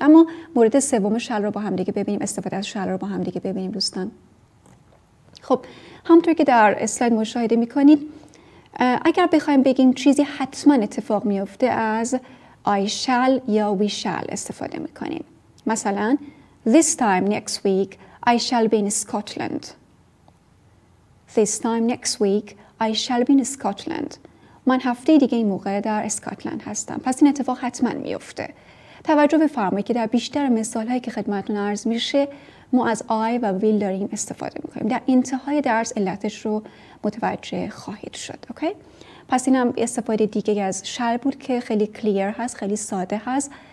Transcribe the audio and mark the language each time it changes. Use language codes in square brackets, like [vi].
[fa] اما مورد سوم شال رو با هم دیگه ببینیم، استفاده از شال رو با هم دیگه ببینیم دوستان. خب همونطور که در اسلاید مشاهده می‌کنید اگر بخوایم بگیم چیزی حتما اتفاق میفته از I shall یا we shall استفاده میکنیم. [en] مثلا This time next week I shall be in Scotland. This time next week I shall be in Scotland. [fa] من هفته دیگه این موقع در اسکاتلند هستم. پس این اتفاق حتما میفته. توجه بفرمایید که در بیشتر مثالهایی که خدمتون عرض میشه ما از I و will داریم استفاده میکنیم. در انتهای درس علتش رو متوجه خواهید شد. اوکی؟ پس این هم استفاده دیگه از شل بود که خیلی کلیر هست، خیلی ساده هست.